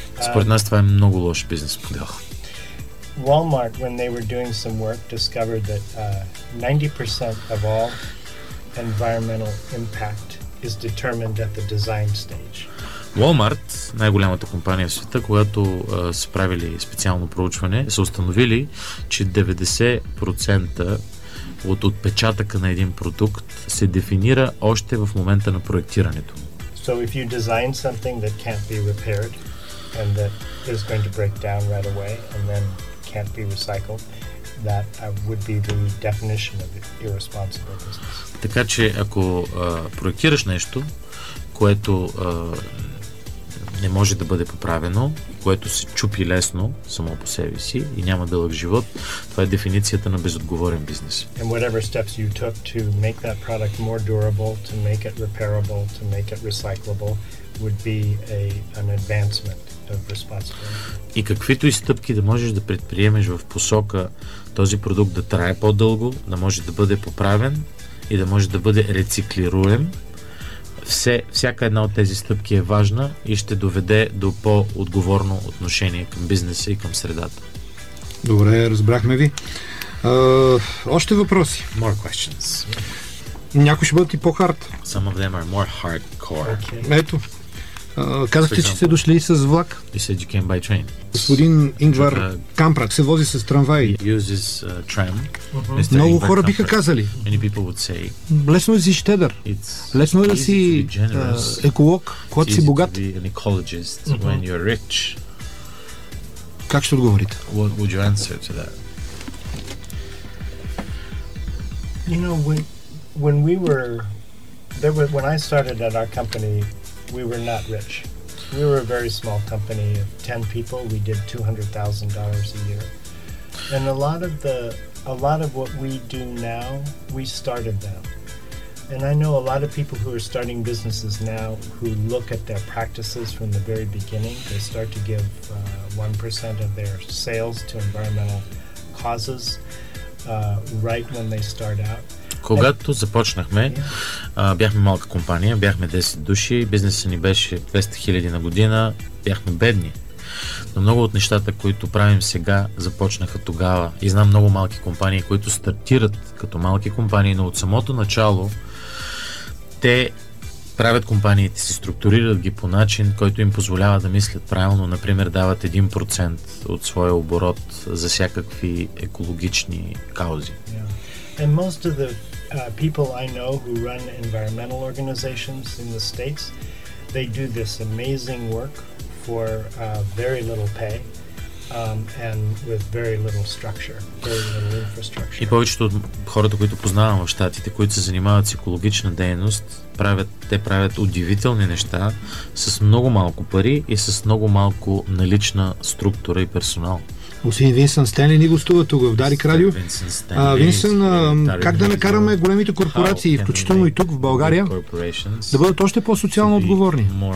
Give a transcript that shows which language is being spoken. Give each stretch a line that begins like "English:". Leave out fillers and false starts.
Bulgarian: Според нас това е много лош бизнес модел.
English: Walmart, when they were doing some work, discovered that 90% of all environmental impact is determined at the design stage.
Bulgarian: Walmart, най-голямата компания в света, когато са правили специално проучване, са установили, че 90% от отпечатъка на един продукт се дефинира още в момента на проектирането.
English: So if you design something that can't be repaired and that is going to break down right away and then can't be recycled, that would be the definition of irresponsible business.
Bulgarian: Така че ако проектираш нещо, което не може да бъде поправено, което се чупи лесно само по себе си и няма дълъг живот, това е дефиницията на безотговорен бизнес.
English: And whatever steps you took to make that product more durable, to make it repairable, to make it recyclable, would be an advancement of responsibility.
Bulgarian: И каквито и стъпки да можеш да предприемеш в посока този продукт да трае по-дълго, да може да бъде поправен и да може да бъде рециклируем, всяка една от тези стъпки е важна и ще доведе до по-отговорно отношение към бизнеса и към средата. Добре, разбрахме ви. Още въпроси?
English: More questions.
Bulgarian: Някои ще бъдат и по-хард.
English: Some of them are more hardcore.
Bulgarian: Okay. Ето. Казахте, че сте дошли с влак.
English: You said you came by train.
Bulgarian: Господин Ингвар Камбрак се вози с трамвай.
English: Uses tram.
Bulgarian: Uh-huh. Много хора Камбрак биха казали.
English: Many people would say.
Bulgarian: Лесно е да си щедър. Лесно е да си еколог, когато си богат.
English: It's easy to be an ecologist when you're rich.
Bulgarian: Как ще отговорите?
English: What would you answer to that? You know, when we were there, when I started at our company, we were not rich. We were a very small company of 10 people. We did $200,000 a year. And a lot of what we do now, we started them. And I know a lot of people who are starting businesses now who look at their practices from the very beginning. They start to give 1% of their sales to environmental causes right when they start out.
Bulgarian: Когато започнахме, бяхме малка компания, бяхме 10 души, бизнесът ни беше 200 000 на година, бяхме бедни. Но много от нещата, които правим сега, започнаха тогава. И знам много малки компании, които стартират като малки компании, но от самото начало те правят компаниите си, структурират ги по начин, който им позволява да мислят правилно. Например, дават 1% от своя оборот за всякакви екологични каузи.
English: And most of the people I know who run environmental organizations in the States, they do this amazing work for very little pay and with very little structure, very little infrastructure.
Bulgarian: И повечето от хората, които познавам в Щатите, които се занимават с екологична дейност, правят удивителни неща с много малко пари и с много малко налична структура и персонал. Господин Винсън Стенли ни гостува тук в Дарик Радио. Винсън, как да накараме големите корпорации, включително и тук в България, да бъдат още по-социално отговорни?